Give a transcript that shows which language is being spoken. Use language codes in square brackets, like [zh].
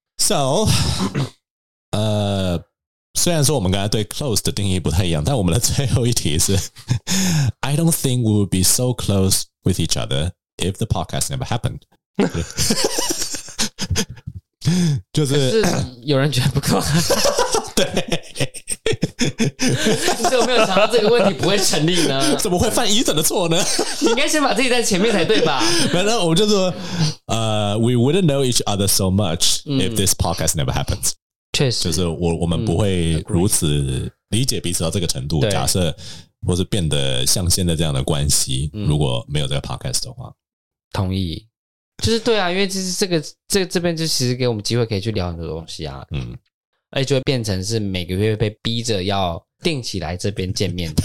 [en] So, [zh] 虽然说我们刚才对 close 的定义不太一样，但我们的最后一题是 [en] I don't think we would be so close with each other if the podcast never happened. [zh] 就是有人觉得不够。对。就是我没有想到这个问题不会成立呢。怎么会犯伊森的错呢？你应该先把自己在前面才对吧。反正我们就说 [en] we wouldn't know each other so much if this podcast never happens. [zh] 确实。就是我们不会如此理解彼此到这个程度，假设或是变得像现在这样的关系，如果没有这个 podcast 的话。同意。就是对啊，因为其实这边就其实给我们机会可以去聊很多东西啊，而且就会变成是每个月被逼着要定期来这边见面的。